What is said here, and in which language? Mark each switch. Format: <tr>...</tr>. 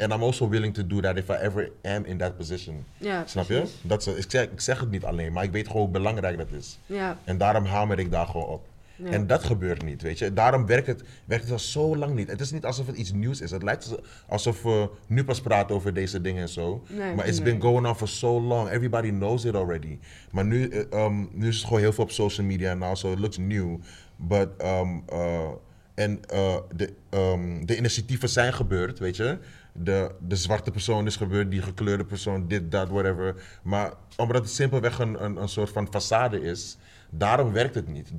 <en>And I'm also willing to do that if I ever am in that position. Yeah,</en> <nl>snap precies. Je? Ik zeg het niet alleen, maar ik weet gewoon hoe belangrijk dat is.</nl> <en>Yeah.</en> <nl>En daarom hamer ik daar gewoon op. Yeah. En dat gebeurt niet, weet je? Daarom werkt het al zo lang niet. Het is niet alsof het iets nieuws is. Het lijkt alsof we nu pas praten over deze dingen en zo. Nee,</nl> <en>maar it's been going on for so long. Everybody knows it already.</en> <nl>Maar nu is het gewoon heel veel op social media en al,</nl> <en>so it looks new.</en> <nl>But, de initiatieven zijn gebeurd, weet je? De zwarte persoon is gebeurd, die gekleurde persoon, dit, dat, whatever. Maar omdat het simpelweg een soort van façade is, daarom werkt het niet.</nl>